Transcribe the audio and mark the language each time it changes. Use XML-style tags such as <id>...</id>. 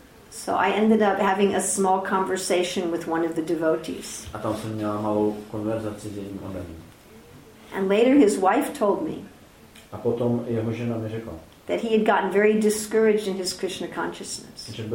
<en>So I ended up having a small conversation with one of the devotees.</en> <cs>A tam jsem měla malou konverzaci s jedním oddaným.</cs> <en>And later his wife told me.</en> <cs>A potom jeho žena mi řekla.</cs> <en>That he had gotten very discouraged in his Krishna consciousness.</en>